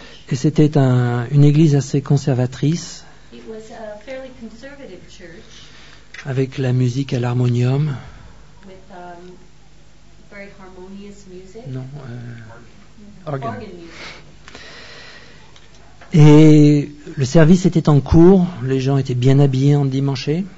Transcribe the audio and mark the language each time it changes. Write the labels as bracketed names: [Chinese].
[French] Et c'était une église assez conservatrice, [English] it was a fairly conservative church, [French] avec la musique à l'harmonium. [English] With, very harmonious music. [French] Non, [English] organ. [French] Et le service était en cours, les gens étaient bien habillés en dimanche.